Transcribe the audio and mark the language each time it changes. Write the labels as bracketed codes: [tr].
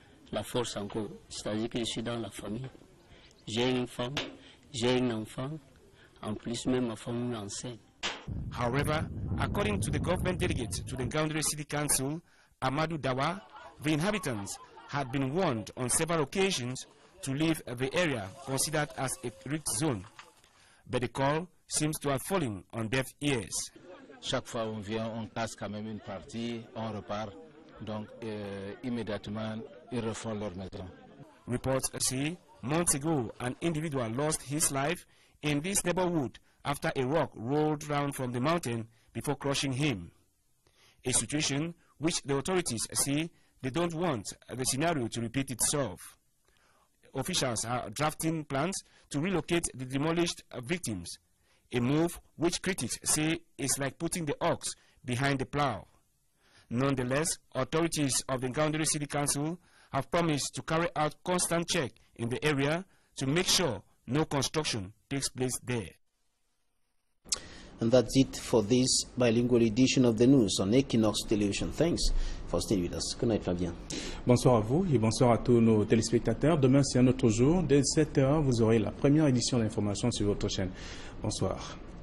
[fr] La force encore, c'est-à-dire que je suis dans la famille. J'ai une femme, j'ai un enfant, en plus même ma femme est enceinte. [en] However, according to the government delegate to the Ngaoundiri City Council, Amadou Dawa, the inhabitants had been warned on several occasions to leave the area considered as a risk zone. But the call seems to have fallen on deaf ears. Chaque fois on vient, on casse quand même une partie, on repart. Donc immédiatement, ils refont leur maison. Reports say months ago, an individual lost his life in this neighborhood after a rock rolled down from the mountain before crushing him. A situation which the authorities say they don't want the scenario to repeat itself. Officials are drafting plans to relocate the demolished victims, a move which critics say is like putting the ox behind the plow. Nonetheless, authorities of the Ngaoundiri City Council have promised to carry out constant check in the area to make sure no construction takes place there. And that's it for this bilingual edition of the news on Equinox Television. Thanks for staying with us. Good night, Fabien. [fr] Bonsoir à vous et bonsoir à tous nos téléspectateurs. Demain, c'est un autre jour. Dès 7h, vous aurez la première édition d'information sur votre chaîne. Bonsoir.